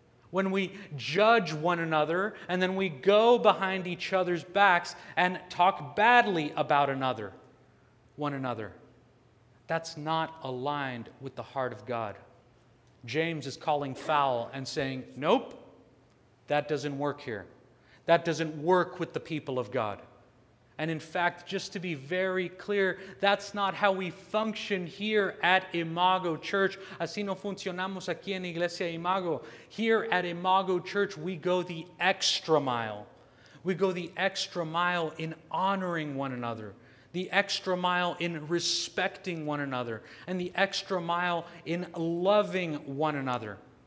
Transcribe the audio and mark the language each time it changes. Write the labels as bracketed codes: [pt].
[en] When we judge one another and then we go behind each other's backs and talk badly about one another, that's not aligned with the heart of God. James is calling foul and saying, nope, that doesn't work here. That doesn't work with the people of God. And in fact, just to be very clear, that's not how we function here at Imago Church. [es] Así no funcionamos aquí en Iglesia Imago. [en] Here at Imago Church, we go the extra mile. We go the extra mile in honoring one another, the extra mile in respecting one another, and the extra mile in loving one another.